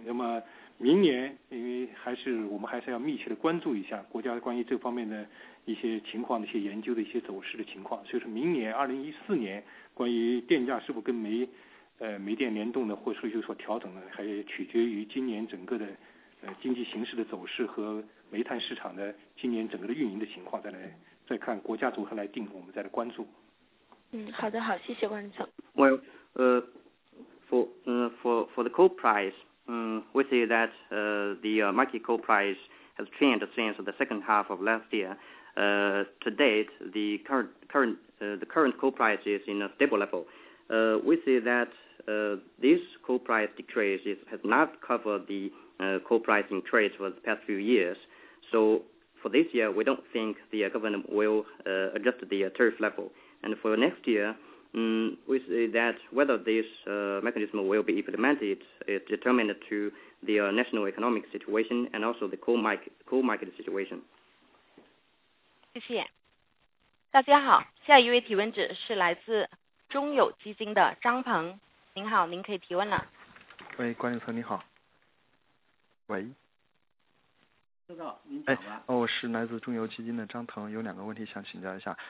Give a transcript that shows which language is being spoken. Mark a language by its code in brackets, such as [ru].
[zh] 那么明年，因为我们还是要密切的关注一下国家关于这方面的一些情况的一些研究的一些走势的情况，所以说明年2014年关于电价是否跟煤电联动的，或者说有所调整的，还取决于今年整个的经济形势的走势和煤炭市场的今年整个的运营的情况，再看国家组合来定，我们再来关注。嗯，好的，好，谢谢关总。 [en] Well, for the coal price, we see that the market coal price has changed since the second half of last year. To date, the current coal price is in a stable level. We see that this coal price decrease has not covered the coal price increase for the past few years. So for this year, we don't think the government will adjust the tariff level. And for next year, we see that whether this mechanism will be implemented is determined to the national economic situation and also the coal market situation. [zh] 谢谢。大家好，下一位提问者是来自中友基金的张鹏。您好，您可以提问了。喂，管理层你好。喂。知道您讲吧。哎，我是来自中油基金的张腾，有两个问题想请教一下。